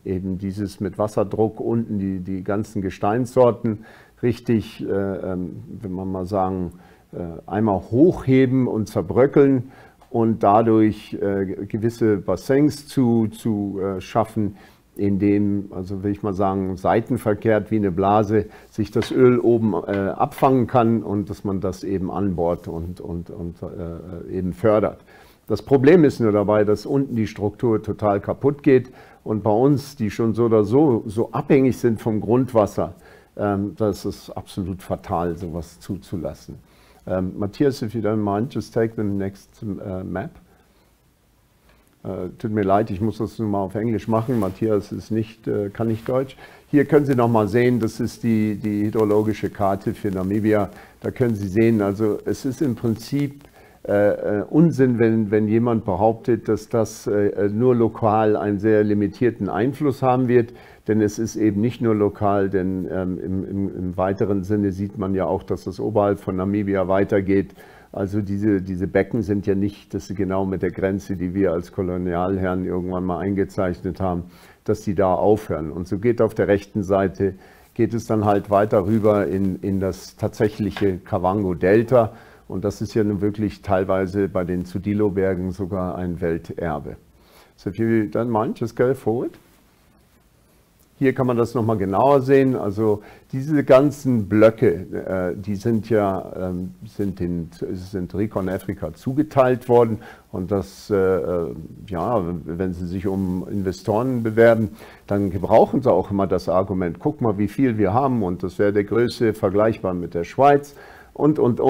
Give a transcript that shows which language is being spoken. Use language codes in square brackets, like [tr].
[de] Eben dieses mit Wasserdruck unten, die ganzen Gesteinssorten richtig, wenn man mal sagen, einmal hochheben und zerbröckeln und dadurch gewisse Bassins zu schaffen, in dem, also will ich mal sagen, seitenverkehrt wie eine Blase sich das Öl oben abfangen kann und dass man das eben anbohrt und eben fördert. Das Problem ist nur dabei, dass unten die Struktur total kaputt geht und bei uns, die schon so oder so abhängig sind vom Grundwasser, das ist absolut fatal, sowas zuzulassen. [en] Matthias, if you don't mind, just take the next map. [de] Tut mir leid, ich muss das nur mal auf Englisch machen. Matthias ist nicht, kann nicht Deutsch. Hier können Sie noch mal sehen, das ist die hydrologische Karte für Namibia. Da können Sie sehen, also es ist im Prinzip Unsinn, wenn jemand behauptet, dass das nur lokal einen sehr limitierten Einfluss haben wird. Denn es ist eben nicht nur lokal, denn im weiteren Sinne sieht man ja auch, dass das oberhalb von Namibia weitergeht. Also diese Becken sind ja nicht, das ist genau mit der Grenze, die wir als Kolonialherren irgendwann mal eingezeichnet haben, dass die da aufhören. Und so geht auf der rechten Seite, geht es dann halt weiter rüber in das tatsächliche Kavango-Delta. Und das ist ja nun wirklich teilweise bei den Tsudilo-Bergen sogar ein Welterbe. [en] So if you don't mind, just go forward. [de] Hier kann man das nochmal genauer sehen. Also diese ganzen Blöcke, die sind ja sind Rikon Afrika zugeteilt worden. Und das, ja, wenn Sie sich um Investoren bewerben, dann gebrauchen Sie auch immer das Argument, guck mal, wie viel wir haben und das wäre der Größe vergleichbar mit der Schweiz und.